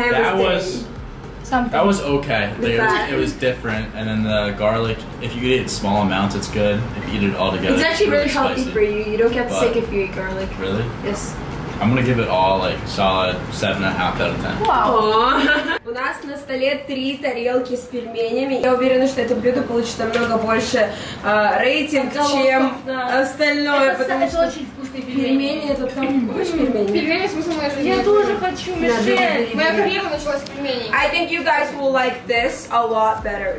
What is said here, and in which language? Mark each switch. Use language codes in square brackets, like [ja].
[en] That was okay. It was different, and then the garlic, if you eat it in small amounts, it's good. If you eat it all together, it's actually really healthy for you. You don't get sick if you eat garlic. Really? Yes. I'm gonna give it all like solid 7.5 out of 10. Wow. [ru] У нас на столе 3 тарелки с пельменями. Я уверена, что это блюдо получит намного больше рейтинг, чем остальное. Это очень вкусные пельмени. Это там больше пельмени. Пельмени, смысл моей жизни. Я тоже хочу, Мишель. Моя карьера началась с пельменей. [en] I think you guys will like this a lot better.